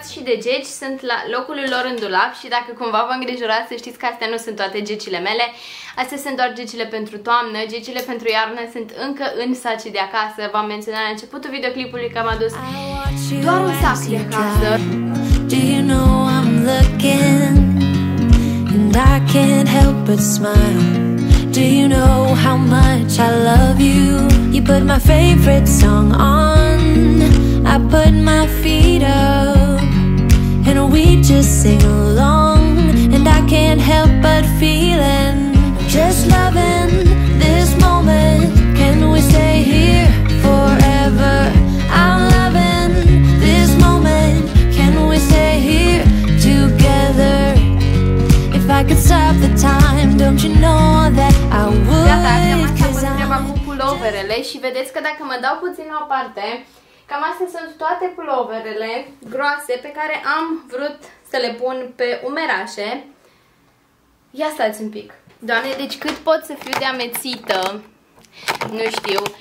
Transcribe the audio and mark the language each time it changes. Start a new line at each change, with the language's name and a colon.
Romanian: De geci, sunt la locul lor în dulap și dacă cumva vă îngrijorați, să știți că astea nu sunt toate gecile mele. Astea sunt doar gecile pentru toamnă, gecile pentru iarnă sunt încă în sacii de acasă. V-am menționat la începutul videoclipului că am adus doar un sac de acasă.
English: Do you know I'm looking and I can't help but smile. Do you know how much I love you? You put my favorite song on. I put my feet up. We just sing along, and I can't help but feeling just loving this moment. Can we stay here forever? I'm loving this moment. Can we stay here together? If I could stop the time, don't you know that I would?
Romanian: Gata, am mai treaba cu puloverele și vedeți că dacă mă dau puțin la o parte, cam astea sunt toate puloverele groase pe care am vrut să le pun pe umerașe. Ia stați un pic. Doamne, deci cât pot să fiu de amețită? Nu știu.